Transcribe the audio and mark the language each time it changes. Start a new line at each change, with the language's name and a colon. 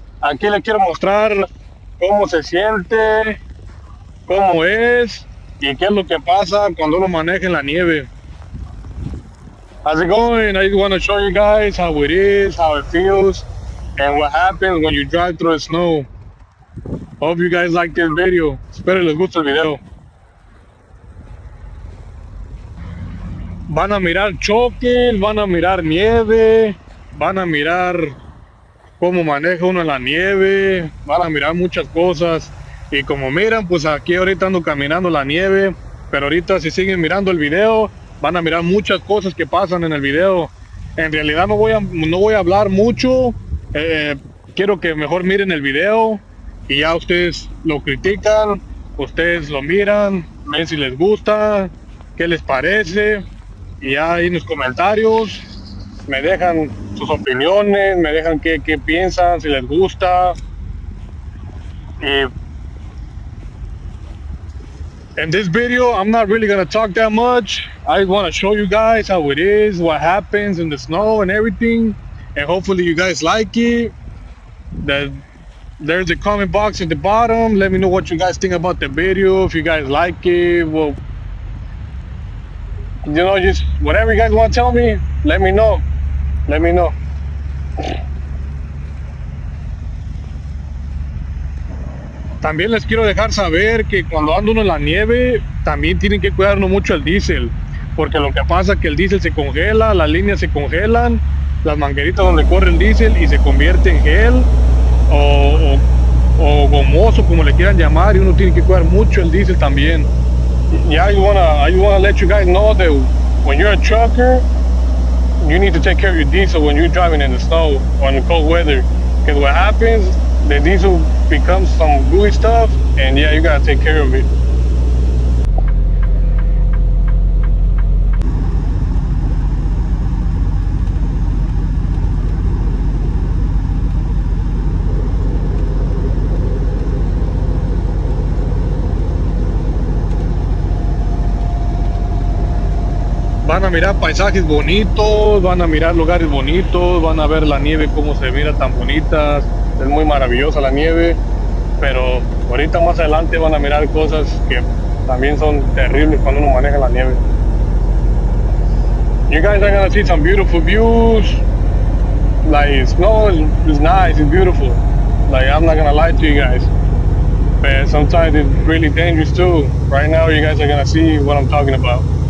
Spanish: Aquí le quiero mostrar cómo se siente, cómo es y qué es lo que pasa cuando uno maneja en la nieve.
English: How's it going? I just want to show you guys how it is, how it feels, and what happens when you drive through the snow. Hope you guys like this video.
Spanish: Espero les guste el video. Van a mirar choques, van a mirar nieve. Van a mirar cómo maneja uno en la nieve, van a mirar muchas cosas. Y como miran, pues aquí ahorita ando caminando la nieve, pero ahorita si siguen mirando el video, van a mirar muchas cosas que pasan en el video. En realidad no voy a hablar mucho, quiero que mejor miren el video y ya ustedes lo critican, ustedes lo miran, ven si les gusta, qué les parece, y ya ahí en los comentarios me dejan sus opiniones, me dejan qué piensan, si les gusta.
English: In this video, I'm not really gonna talk that much. I want to show you guys how it is, what happens in the snow and everything. And hopefully you guys like it. There's a comment box at the bottom. Let me know what you guys think about the video. If you guys like it, well, you know, just whatever you guys want to tell me, let me know. Let me know.
Spanish: También les quiero dejar saber que cuando anda uno en la nieve, también tienen que cuidar uno mucho el diésel, porque lo que pasa es que el diésel se congela, las líneas se congelan, las mangueritas donde corre el diésel, y se convierte en gel o gomoso, como le quieran llamar, y uno tiene que cuidar mucho el diésel también.
English: Yeah, I wanna let you guys know that when you're a trucker, you need to take care of your diesel when you're driving in the snow or in the cold weather. Because what happens, the diesel becomes some gooey stuff, and yeah, you gotta take care of it.
Spanish: Van a mirar paisajes bonitos, van a mirar lugares bonitos, van a ver la nieve cómo se mira tan bonita. Es muy maravillosa la nieve, pero ahorita más adelante van a mirar cosas que también son terribles cuando uno maneja la nieve.
English: You guys are gonna see some beautiful views. Like, snow is nice, it's beautiful. Like, I'm not gonna lie to you guys. But sometimes it's really dangerous too. Right now you guys are gonna see what I'm talking about.